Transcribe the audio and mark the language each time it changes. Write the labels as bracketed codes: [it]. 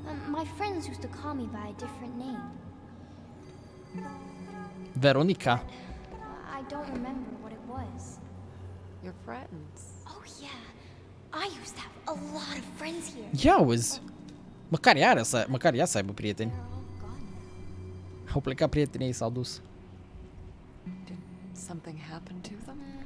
[en] My friends used to call me by a different name. Veronica. I don't remember what it was. Your friends. Oh yeah. I used to have a lot of friends here. [ro] Yeah, măcar ea să, măcar ea să aibă prieteni. Au plecat prietenii, s-au dus. [en] Did something happen to them?